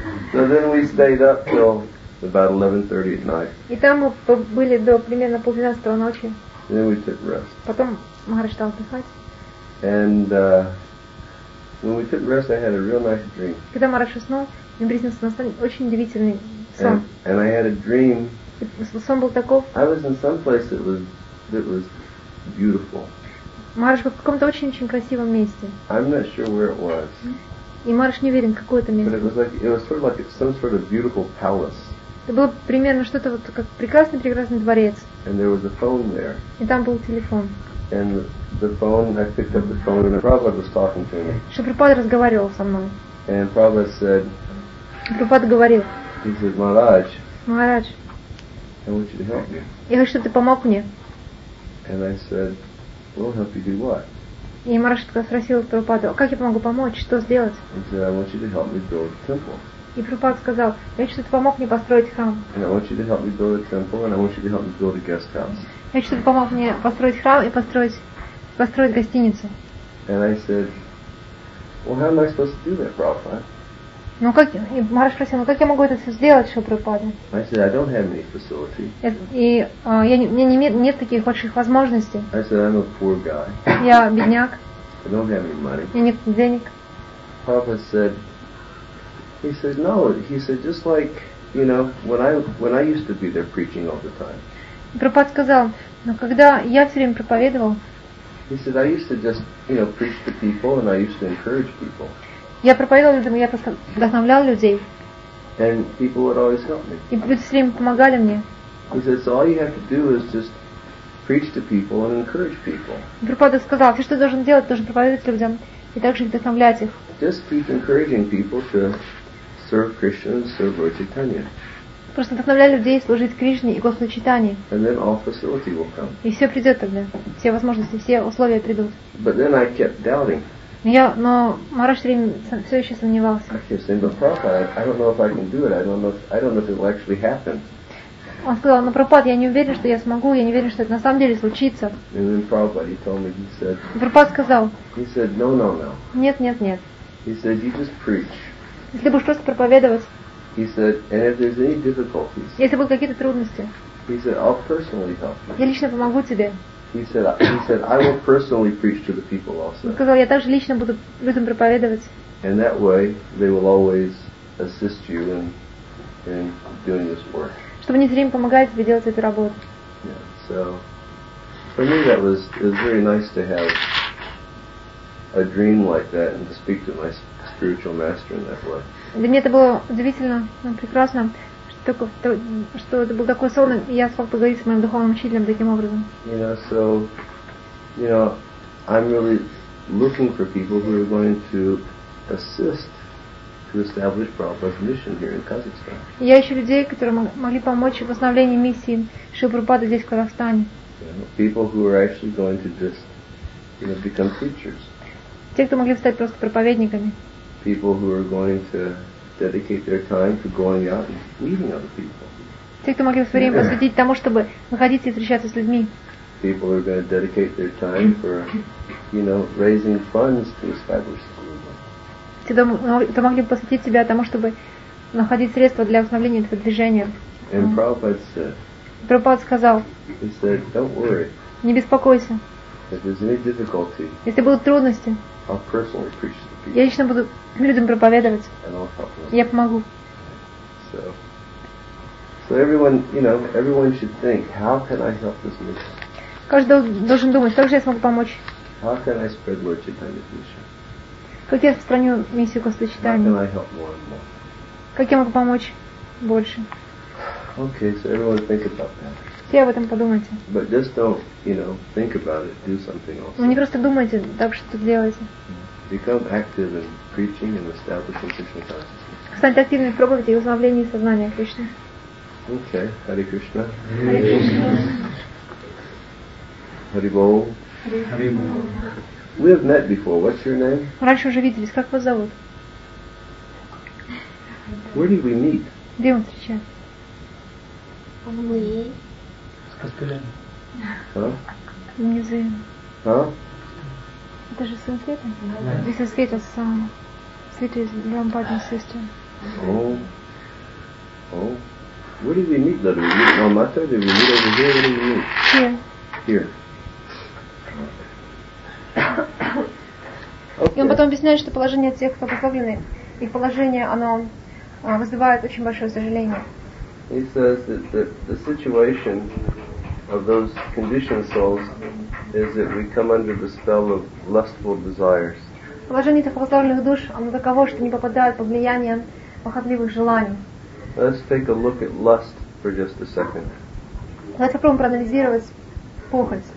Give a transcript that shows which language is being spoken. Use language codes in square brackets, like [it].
[en] So then we stayed up till about 11:30 at night. [ru] И там мы были до примерно 12:30 ночи. [en] Then we took rest. [ru] Потом Махарадж стал отдыхать. [en] And when we took rest, I had a real nice dream. [ru] Когда Махарадж уснул, мне приснился на сне очень удивительный сон. [en] And I had a dream. [ru] Сон был таков. [en] I was in some place that was beautiful. [ru] Махарадж был в каком-то очень-очень красивом месте. [en] I'm not sure where it was. [ru] И Махарадж не уверен, какое это место. [en] But it was sort of like some sort of beautiful palace. [ru] Это было примерно что-то вот как прекрасный-прекрасный дворец. [en] And there was a phone there. [ru] И там был телефон. [en] And the phone, I picked up the phone and Prabhupada was talking to me. [ru] Шупрапад разговаривал со мной. [en] And Prabhupada said, [ru] Шупрапад говорил, [en] he said, Maharaj, [ru] Maharaj, [en] I want you to help me. [ru] Я хочу, чтобы ты помог мне. [en] And I said, we'll help you do what? [ru] И Maharaj тогда спросил Прабхупаду, как я могу помочь, что сделать? [en] He said, I want you to help me build a temple. [ru] И Прабхупад сказал, я хочу, чтобы ты помог мне построить храм. [en] And I want you to help me build a temple, and I want you to help me build a guest house. [ru] Я хочу, чтобы ты помог мне построить храм и построить гостиницу. [en] And I said, well, how am I supposed to do that, Prabhupada? [ru] Ну как? И Maharaj спросил, ну как я могу это все сделать, что Прабхупада? [en] I said, I don't have any facility. [ru] И у меня нет таких больших возможностей. [en] I said, I'm a poor guy. [ru] Я бедняк. [en] I don't have any money. [ru] У меня нет денег. [en] Prabhupada said. He said, no, he said, just like, you know, when I used to be there preaching all the time. [ru] Прабхупад сказал, но когда я все время проповедовал, [en] he said, I used to just, you know, preach to people and I used to encourage people. [ru] Я проповедовал людям, я вдохновлял людей. [en] And people would always help me. [ru] И люди все время помогали мне. [en] He said, so all you have to do is just preach to people and encourage people. [ru] Прабхупад сказал, все, что ты должен делать, ты должен проповедовать людям и также вдохновлять их. [en] Just keep encouraging people to serve Krishna and serve Lord Chaitanya. [ru] Просто вдохновляй людей служить Кришне и Господу Чайтанье. [en] And then all facility will come. [ru] И все придет тогда. Все возможности, все условия придут. [en] But then I kept doubting. [ru] Но Махарадж все еще сомневался. [en] I kept saying, but Prabhupada, I don't know if I can do it. I don't know if it will actually happen. [ru] Он сказал, но Прабхупад, я не уверен, что я смогу, я не уверен, что это на самом деле случится. [en] And then Prabhupada told me, he said, [ru] Прабхупад сказал, [en] he said, no, no, no. [ru] Нет, нет, нет. [en] He said, you just preach. [ru] Если будешь просто проповедовать, [en] he said, and if there's any difficulties, [ru] если будут какие-то трудности, [en] he said, I'll personally help you. [ru] Я лично помогу тебе. [en] He said, I will personally preach to the people also. [ru] Он сказал, я также лично буду людям проповедовать. [en] And that way, they will always assist you in doing this work. [ru] Чтобы они все время помогали тебе делать эту работу. [en] Yeah, so for me that was very nice to have a dream like that and to speak to my spiritual master in that way. [ru] Для меня это было удивительно, прекрасно, что это был такой сон, и я смог поговорить с моим духовным учителем таким образом. [en] Yeah, so you know, I'm really looking for people who are going to assist to establish Prabhupada's mission here in Kazakhstan. [ru] Я ищу людей, которые могли помочь в восстановлении миссии Шрилы Прабхупады здесь, в Казахстане. [en] People who are actually going to just, you know, become teachers. [ru] Те, кто могли стать просто проповедниками. [en] People who are going to dedicate their time to going out and meeting other people. [ru] Те, кто могли свое время посвятить тому, чтобы выходить и встречаться с людьми. [en] People are going to dedicate their time for, you know, raising funds to establish the movement. [ru] Ты могли посвятить себя тому, чтобы находить средства для установления этого движения. [en] And Prabhupada said. [ru] Прабхупада сказал. [en] He said, "Don't worry." [ru] Не беспокойся. [en] If there's any difficulty. [ru] Если будут трудности. [en] I'll personally preach to the people. [ru] Я лично буду людям проповедовать. [en] And I'll help them. [ru] Я помогу. [en] So everyone, you know, everyone should think, how can I help this mission? [ru] Каждый должен думать, как же я смогу помочь? [en] How can I spread Lord Chaitanya's mission? [ru] Как я распространю миссию Господа Читания? [en] How can I help more and more? [ru] Как я могу помочь больше? [en] Okay, so everyone think about that. [ru] Все об этом подумайте. [en] But just don't, you know, think about it. Do something else. [ru] Ну не просто думайте, так что делайте. [en] Become active in preaching and establishing Krishna consciousness. [ru] Станьте активными в проповеди и установлении сознания Кришны. [en] Okay, Hare Krishna. [sa] Hare Krishna. Haribol. Haribol. [en] We have met before. What's your name? [ru] Раньше уже виделись. Как вас зовут? [en] Where did we meet? [ru] Где мы встречались? Мы. С Каспелем. А? Не знаю. А? Это же Санскрита. [en] This is Kate's Sweetie is Rampart's sister. Oh. Oh. Where did we meet that? We meet on Mata? Did we meet over here? Where did we meet? Here. Here. [ru] И он потом объясняет, что положение тех, кто послаблены, их положение, оно вызывает очень большое сожаление. [en] He says that the situation of those conditioned souls is that we come under the spell of lustful desires. [ru] Положение этих послабленных душ, оно таково, что они попадают под влияние похотливых желаний. [en] Let's take a look at lust for just a second. [ru] Давайте попробуем проанализировать похоть.